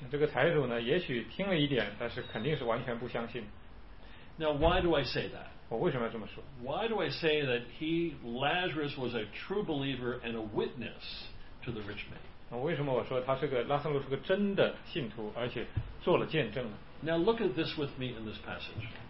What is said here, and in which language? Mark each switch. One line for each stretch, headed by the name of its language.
Chinese: 这个财主呢，也许听了一点，但是肯定是完全不相信。
English: Now, why do I say that?
Chinese: 我为什么要这么说？
English: Why do I say that Lazarus was a true believer and a witness to the rich man?
Chinese: 为什么我说他是个拉森路是个真的信徒，而且做了见证呢？
English: Now look at this with me in this passage.